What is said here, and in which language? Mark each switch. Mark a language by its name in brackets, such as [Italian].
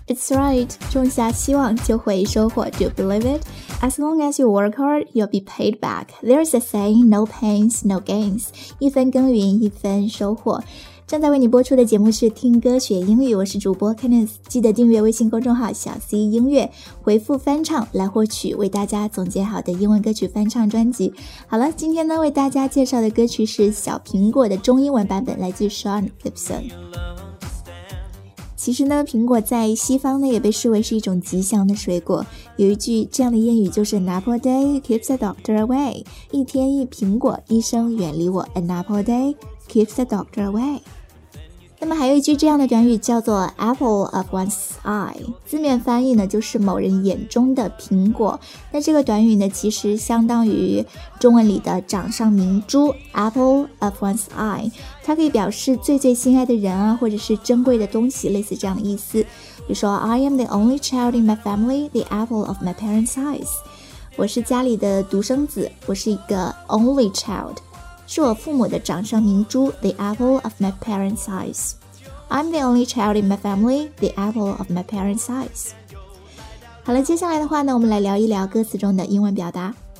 [English] Right, [Chinese] 种下希望就会收获 [English] Do you believe it? As long as you work hard, you'll be paid back. There's a saying, no pains, no gains. [Chinese] 一分耕耘，一分收获。正在为你播出的节目是听歌学英语，我是主播 Kenneth， 记得订阅微信公众号小 C 音乐，回复翻唱来获取为大家总结好的英文歌曲翻唱专辑。好了，今天呢为大家介绍的歌曲是小苹果的中英文版本，来自 Sean Gibson。其实呢，苹果在西方呢也被视为是一种吉祥的水果，有一句这样的谚语就是 [English] An apple a day keeps the doctor away， [Chinese] 一天一苹果，医生远离我， An apple a day keeps the doctor away。那么还有一句这样的短语叫做 [English] apple of one's eye， [Chinese] 字面翻译呢就是某人眼中的苹果，那这个短语呢其实相当于中文里的掌上明珠 apple of one's eye，它可以表示最最心爱的人啊，或者是珍贵的东西，类似这样的意思。比如说 [English] I am the only child in my family, the apple of my parents' eyes， [Chinese] 我是家里的独生子，我是一个 [English] only child， [Chinese] 是我父母的掌上明珠， [English] the apple of my parents' eyes。 I'm the only child in my family, the apple of my parents' eyes。 [Chinese] 好了，接下来的话呢，我们来聊一聊歌词中的英文表达。